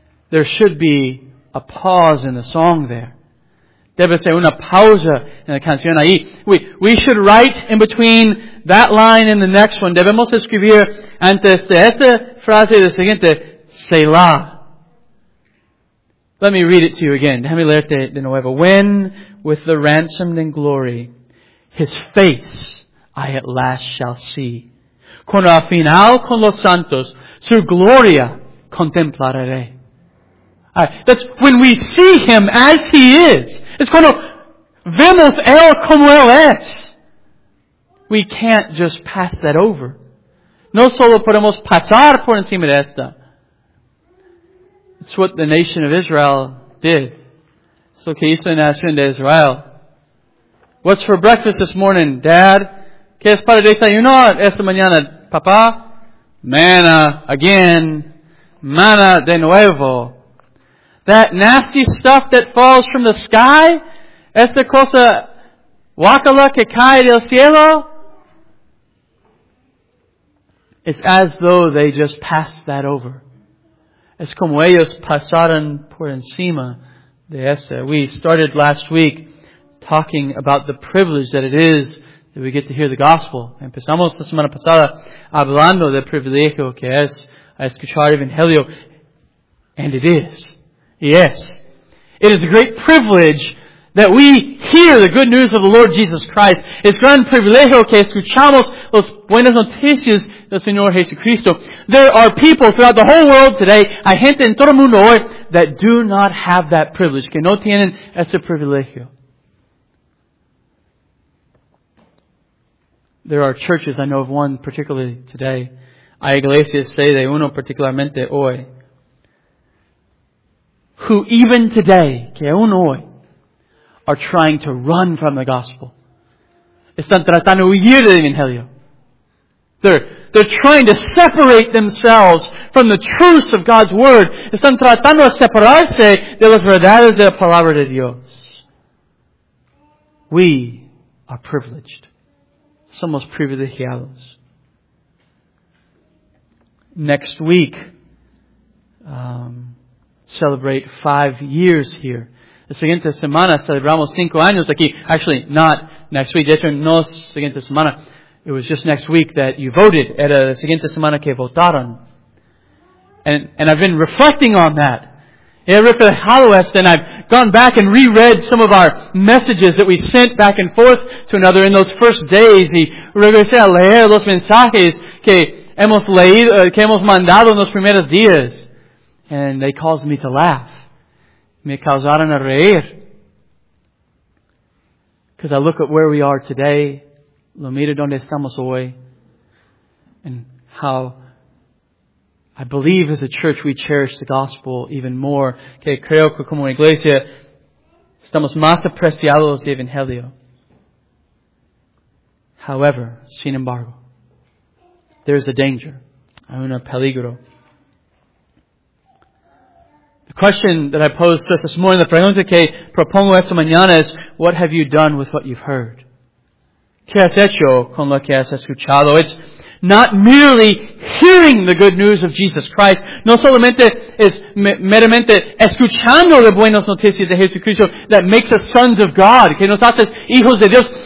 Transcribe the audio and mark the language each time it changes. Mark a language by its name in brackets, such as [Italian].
[English] There should be a pause in the song there. [Spanish] Debe ser una pausa en la canción ahí. [English] We should write in between that line and the next one. [Spanish] Debemos escribir antes de esta frase y la siguiente, Selah. [English] Let me read it to you again. [Spanish] Déjame leerte de nuevo. [English] When, with the ransomed in glory, his face I at last shall see. [Spanish] Cuando al final con los santos, su gloria contemplaré. [English] Right. That's when we see him as he is. [Spanish] It's cuando vemos él como él es. [English] We can't just pass that over. [Spanish] No solo podemos pasar por encima de esta. [English] It's what the nation of Israel did. So Kaysen asked into Israel, "What's for breakfast this morning, Dad? [Spanish] ¿Qué es para desayunar esta mañana, Papá? [English] Manna again. [Spanish] Manna de nuevo. [English] That nasty stuff that falls from the sky? [Spanish] Esta cosa guacala que cae del cielo?" [English] It's as though they just passed that over. [Spanish] Es como ellos pasaron por encima de esta. [English] We started last week talking about the privilege that it is that we get to hear the gospel. [Spanish] Empezamos la semana pasada hablando del privilegio que es a escuchar el Evangelio. [English] And it is. Yes. It is a great privilege that we hear the good news of the Lord Jesus Christ. [Spanish] Es gran privilegio que escuchamos las buenas noticias del Señor Jesucristo. [English] There are people throughout the whole world today, [Spanish] hay gente en todo el mundo hoy, [English] that do not have that privilege, [Spanish] que no tienen ese privilegio. [English] There are churches, I know of one particularly today, [Spanish] hay iglesias, say de uno particularmente hoy, [English] who even today, [Spanish] que aún hoy, [English] are trying to run from the gospel. [Spanish] Están tratando de huir del Evangelio. [English] They're trying to separate themselves from the truths of God's Word. [Spanish] Están tratando de separarse de las verdades de la Palabra de Dios. [English] We are privileged. [Spanish] Somos privilegiados. [English] Next week, celebrate 5 years here. [Spanish] La siguiente semana celebramos 5 años aquí. [English] Actually, not next week. [Spanish] De hecho, no siguiente semana. [English] It was just next week that you voted. [Spanish] Era la siguiente semana que votaron. [English] And I've been reflecting on that. [Spanish] He reflejado esto, [English] and I've gone back and reread some of our messages that we sent back and forth to another in those first days. [Spanish] Y regresé a leer los mensajes que hemos mandado en los primeros días. [English] And they caused me to laugh. [Spanish] Me causaron a reír. [English] Because I look at where we are today, [Spanish] lo miro donde estamos hoy, [English] and how I believe as a church we cherish the gospel even more. [Spanish] Que creo que como iglesia estamos más apreciados de Evangelio. [English] However, [Spanish] sin embargo, [English] there is a danger. [Spanish] Hay un peligro. [English] The question that I pose to us this morning, the [Spanish] pregunta que propongo esta mañana [English] is, what have you done with what you've heard? [Spanish] ¿Qué has hecho con lo que has escuchado? [English] It's not merely hearing the good news of Jesus Christ. [Spanish] No solamente es meramente escuchando las buenas noticias de Jesucristo [English] that makes us sons of God, [Spanish] que nos hace hijos de Dios.